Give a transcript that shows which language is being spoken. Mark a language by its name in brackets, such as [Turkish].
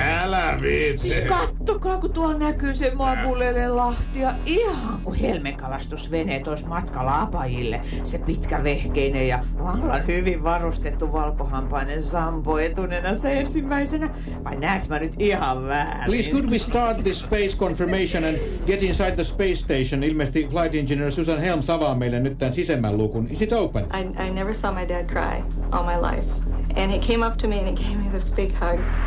[Finnish] Älä viitsi! Siis kattokaa, kun tuolla näkyy se Mabulele lahtia. Ihan kuin helmekalastusveneet olisi matkalla apajille. Se pitkä vehkeinen ja vallan hyvin varustettu valkohampainen Sampo etunenässä ensimmäisenä. Vai näetkö mä nyt ihan väärin? [English] Please could we start this space confirmation and get inside the space station? [Finnish] Ilmeisesti flight engineer Susan Helms avaa meille nyt tämän sisemmän lukun. [English] Is it open? I never saw my dad cry all my life. And he came up to me and he gave me this big hug.